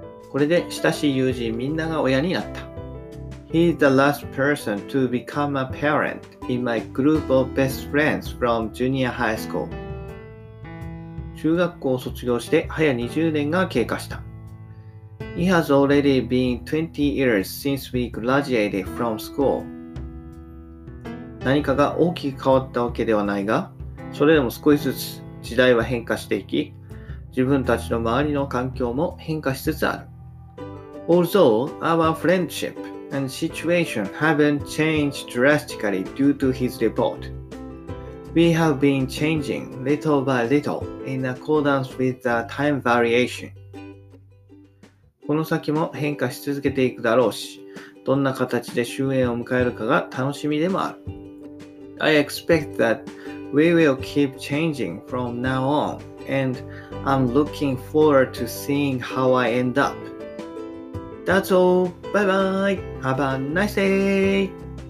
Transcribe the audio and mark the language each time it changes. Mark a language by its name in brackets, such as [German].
[Japanese] これで親しい友人みんなが親になった。 [English] He is the last person to become a parent in my group of best friends from junior high school. [Japanese] 中学校を卒業して早20年が経過した。 [English] It has already been 20 years since we graduated from school. [Japanese] 何かが大きく変わったわけではないが、それでも少しずつ時代は変化していき、自分たちの周りの環境も変化しつつある。 [English] Although our friendshipand situation haven't changed drastically due to his report. We have been changing little by little in accordance with the time variation. [Japanese] この先も変化し続けていくだろうし、どんな形で終焉を迎えるかが楽しみでもある。 [English] I expect that we will keep changing from now on, and I'm looking forward to seeing how I end up. That's all. Bye bye. Have a nice day.